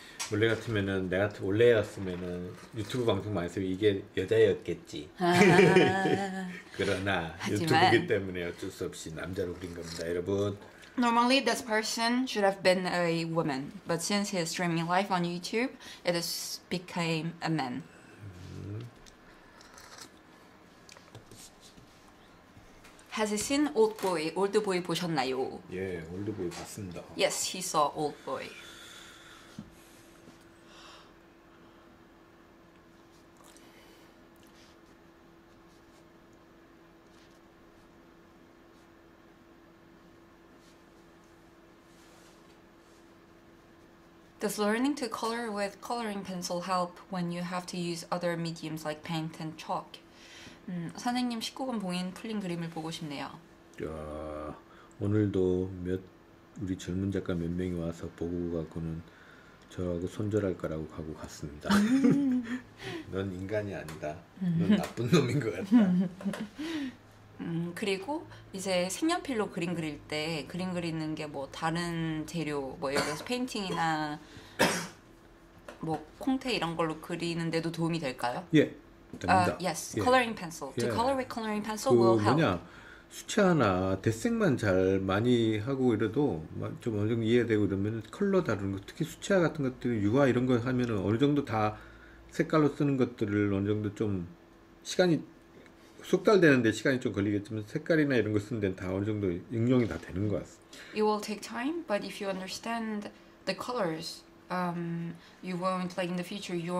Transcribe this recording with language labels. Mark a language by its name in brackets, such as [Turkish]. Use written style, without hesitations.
[Korean] 원래 같으면은 내가 원래 였으면은 유튜브 방송 많이 했으면 이게 여자였겠지. 그러나 유튜브이기 때문에 어쩔 수 없이 남자로 그린 겁니다, 여러분. [English] Normally, this person should have been a woman, but since he is streaming live on YouTube, it has became a man. [Korean] 하세신 올드보이 올드보이 보셨나요? 예, 올드보이 봤습니다. [English] Yes, he saw Oldboy. [Korean] 그래서 [English] learning to color with coloring pencil help when you have to use other mediums like paint and chalk. [Korean] 선생님 19금 봉인 풀린 그림을 보고 싶네요. 야, 오늘도 몇 우리 젊은 작가 몇 명이 와서 보고 가고는 저하고 손절할 거라고 가고 갔습니다. 넌 인간이 아니다. 넌 나쁜 놈인 것 같다. 그리고 이제 색연필로 그림 그릴 때 그림 그리는 게 뭐 다른 재료 뭐 예를 들어서 페인팅이나 뭐 콩테 이런 걸로 그리는데도 도움이 될까요? 예. 됩니다. [English] Yes. Yeah. Coloring pencil. To color with coloring pencil will help. [Korean] 그 뭐냐? 수채화나 데색만 잘 많이 하고 이래도 좀 어느 정도 이해되고 이러면 컬러 다루는 거 특히 수채화 같은 것들 유화 이런 거 하면은 어느 정도 다 색깔로 쓰는 것들을 어느 정도 좀 시간이 숙달되는데 시간이 좀 걸리겠지만 색깔이나 이런 거 쓰는 데는 다 어느 정도 응용이 다 되는 것 같습니다. [English] It will take time, but if you understand the colors, you won't like in the future.